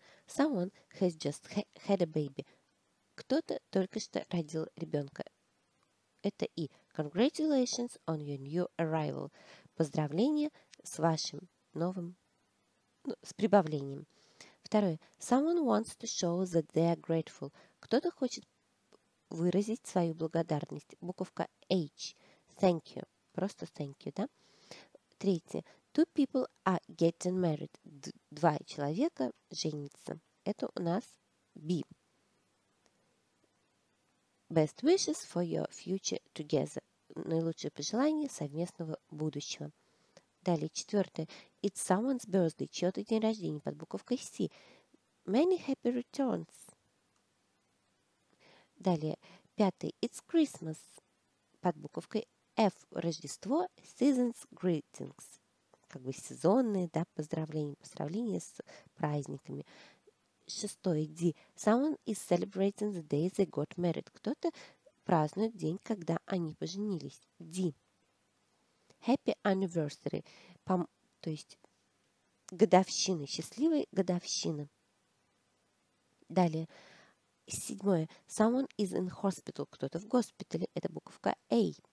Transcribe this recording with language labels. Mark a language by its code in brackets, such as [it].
[en] Someone has just had a baby. [ru] Кто-то только что родил ребенка. Это и [en] congratulations on your new arrival. [ru] Поздравления с вашим новым, с прибавлением. Второе. [en] Someone wants to show that they are grateful. [ru] Кто-то хочет выразить свою благодарность. Буковка H. [en] Thank you. [ru] Просто [en] thank you, [ru] да? Третье. [en] Two people are getting married. [ru] Два человека женятся. Это у нас B. [en] Best wishes for your future together. [ru] Наилучшие пожелания совместного будущего. Далее, четвертое. [en] It's someone's birthday. [ru] Чье-то день рождения под буковкой C. [en] Many happy returns. [ru] Далее, пятое. [en] It's Christmas. [ru] Под буковкой F. Рождество. [en] Season's greetings. [ru] Как бы сезонные, да, поздравления. Поздравления с праздниками. Шестое. D. [en] Someone is celebrating the day they got married. [ru] Кто-то празднует день, когда они поженились. D. [en] Happy anniversary, [ru] то есть годовщина, счастливая годовщина. Далее, седьмое. [en] Someone is in hospital, [ru] кто-то в госпитале, это буковка A.